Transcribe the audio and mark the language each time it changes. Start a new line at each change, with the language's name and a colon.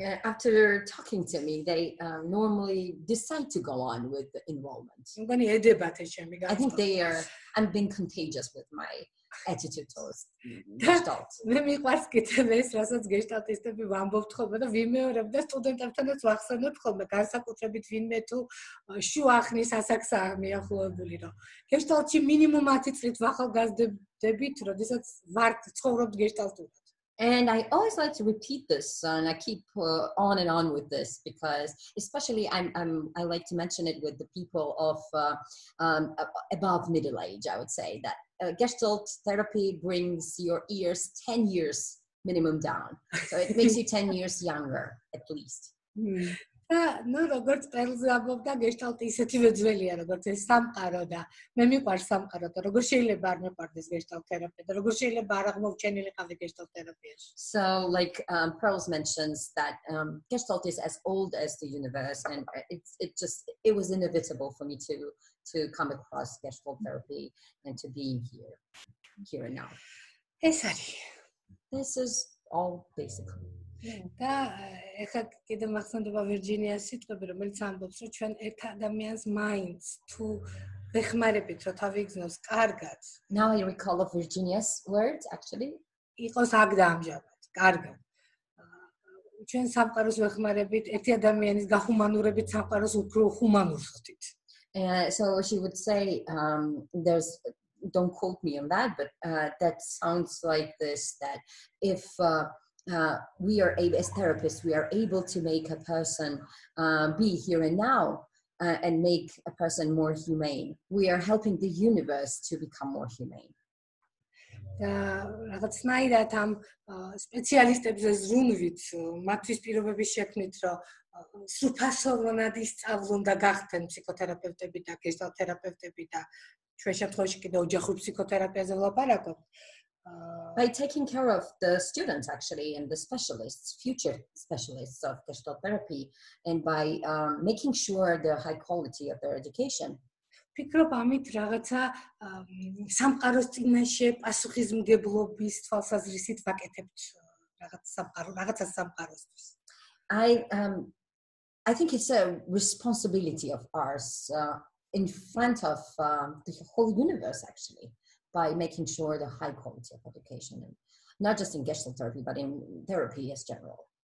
English: After talking to me, they normally decide to go on with the enrollment. I think they are, I'm being contagious with my attitude towards Gestalt.
Georgian: მე მიყვარს კიდევ ეს, რასაც გესტალტისტები ვამბობთ ხოლმე და ვიმეორებ და სტუდენტებთანაც ვახსენებ ხოლმე, განსაკუთრებით ვინმე თუ შუახნის ასაკსაა მიახლოებული, რომ გესტალტში მინიმუმ 10 წლით ახალგაზრდებით, როდესაც ვართ ცხოვრობთ გესტალტურად.
English: And I always like to repeat this and I keep on and on with this because especially I like to mention it with the people of above middle age, I would say that Gestalt therapy brings your ears 10 years minimum down. So it makes you 10 years younger, at least.
Georgian: No, როგორც პერლზე ამბობდა, გესტალტი ისეთივე ძველია, როგორც ეს სამყარო და მე მიყვარს სამყარო და როგორ შეიძლება არ მეყვარდეს გესტალტ თერაპია და როგორ შეიძლება არ აღმოჩენილი ყავდე გესტალტ თერაპიაში.
English: So like Pearls mentions that Gestalt is as old as the universe and it was inevitable for me to come across Gestalt therapy and to be here and now.
Georgian: ეს არის.
English: This is all basically.
Georgian: და ეხლა კიდე მახსენდება ვირჯინიას სიტყვები, რომელიც ამბობს, რომ ჩვენ ერთ ადამიანს მაინც თუ ვეხმარებით, რომ თავი იგზნოს კარგად.
English: Now I recall of Virginia's words actually.
Georgian: იყოს აქ და ამჟამად, კარგად. ჩვენ სამყაროს ვეხმარებით, ერთი ადამიანის გახუმანურებით სამყაროს უფრო ჰუმანურს ხდით.
English: So she would say there's don't quote me on that, but that sounds like this that if we are able as therapists we are able to make a person be here and now and make a person more humane we are helping the universe to become more humane
Georgian: და რაღაცნაირად ამ სპეციალისტებზე ზრუნვით მათთვის პირობების შექმნით რომ სუფასოვნად ისწავლონ და გახდნენ ფსიქოთერაპევტები და გესტალტთერაპევტები და ჩვენ შემთხვევაში კიდე ოჯახურ ფსიქოთერაპიაზე ვლაპარაკობთ
English: By taking care of the students, actually, and the specialists, future specialists of Gestalt therapy, and by making sure the high quality of their education.
Georgian: ფიქრობ ამით რაღაცა სამყაროს წინაშე პასუხისმგებლობის თვალსაზრისით ვაკეთებთ რაღაცა სამყაროსთვის.
English: I think it's a responsibility of ours in front of the whole universe, actually. By making sure the high quality of education and not just in Gestalt therapy but in therapy as general.